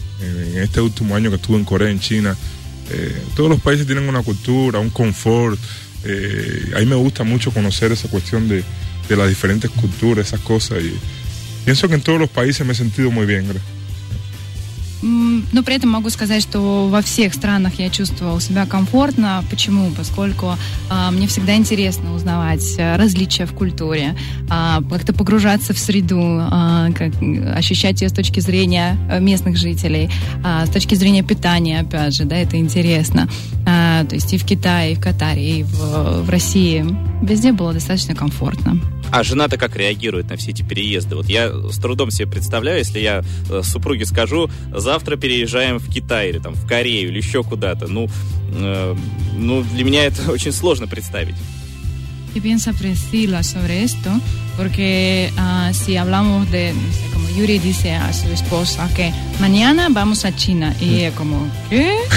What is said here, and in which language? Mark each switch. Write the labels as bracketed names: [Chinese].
[Spanish] En este último año que estuve en Corea, en China, todos los países tienen una cultura, un confort. A mí me gusta mucho conocer esa cuestión de las diferentes culturas, esas cosas. Y pienso que en todos los países me he sentido muy bien. [Russian] Но при этом могу сказать, что во всех странах я чувствовала себя комфортно. Почему? Поскольку мне всегда интересно узнавать различия в культуре, как-то погружаться в среду, как, ощущать ее с точки зрения местных жителей, с точки зрения питания, опять же, да, это интересно. То есть и в Китае, и в Катаре, и в России везде было достаточно комфортно. А жена-то как реагирует на все эти переезды? Вот я с трудом себе представляю, если я супруге скажу, завтра переезжаем в Китай или там в Корею или еще куда-то. Ну, для меня это очень сложно представить. [Spanish] Y piensa Priscila sobre esto, porque si hablamos de, no sé, como Yuri dice a su esposa que mañana vamos a China, y ella como ¿qué?